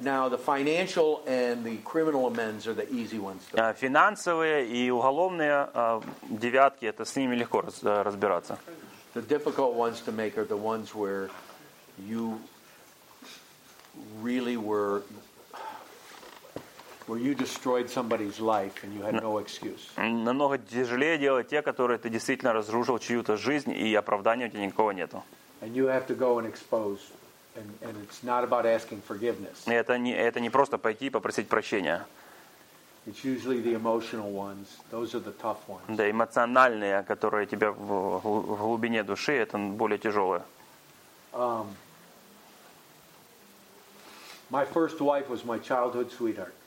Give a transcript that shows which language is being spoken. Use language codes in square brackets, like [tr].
[en] Now the financial and the criminal amends are the easy ones. [ru] Финансовые и уголовные девятки, это с ними легко разбираться. [en] The difficult ones to make are the ones where you really were. Where you destroyed somebody's life and you had no excuse. [ru] Намного тяжелее делать те, которые ты действительно разрушил чью-то жизнь и оправдания у тебя никакого нету. [en] And you have to go and expose, and it's not about asking forgiveness. [ru] Это не просто пойти и попросить прощения. [en] It's usually the emotional ones. Those are the tough ones. [ru] Да, эмоциональные, которые тебя в глубине души, это более тяжелые. [en] My first wife was my childhood sweetheart.